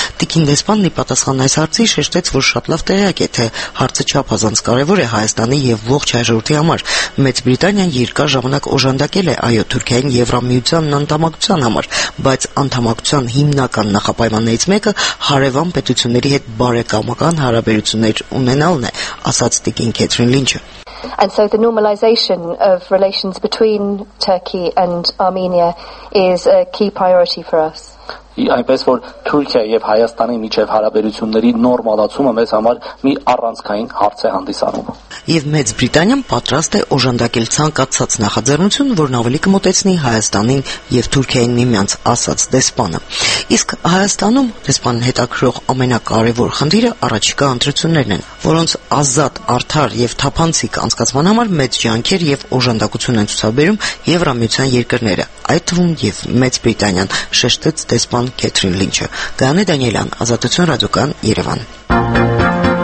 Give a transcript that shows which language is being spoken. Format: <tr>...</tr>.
<hy>Տիկին դեսպանն ի պատասխան այս հարցին շեշտեց, որ շատ լավ տեղյակ է, թե հարցը չափազանց կարևոր է Հայաստանի եւ ողջ հայրենիքի համար։ Մեծ Բրիտանիան երկար ժամանակ օժանդակել է այո Թուրքիային Եվրամիության անդամակցության համար, բայց անդամակցության հիմնական նախապայմաններից մեկը հարևան պետությունների հետ բարեկամական հարաբերություններ ունենալն է, ասաց Տիկին Քեթրին Լինչը։</hy> <en>And so the normalization of relations between Turkey and Armenia is a key priority for us.</en> <hy>Այնպես որ Թուրքիա եւ Հայաստանի միջև հարաբերությունների նորմալացումը մեզ համար մի առանցքային հարց է հանդիսանում։ Եվ Մեծ Բրիտանիան պատրաստ է օժանդակել ցանկացած նախաձեռնություն, որն ավելի կմոտեցնի Հայաստանին եւ Թուրքիային միմյանց, ասաց դեսպանը։ Իսկ Հայաստանում դեսպանը հետաքրող ամենակարևոր խնդիրը առաջիկա ընտրություններն են, որոնց ազատ, արդար եւ թափանցիկ անցկացման համար մեծ ջանքեր եւ օժանդակություն են ցուցաբերում Եվրամիության երկրները, այդ թվում եւ Մեծ Բրիտանիան, շեշտեց դեսպան Քեթրին Լինչը։ Գանե Դանիելյան, Ազատություն ռադիոկան, Երևան։</hy>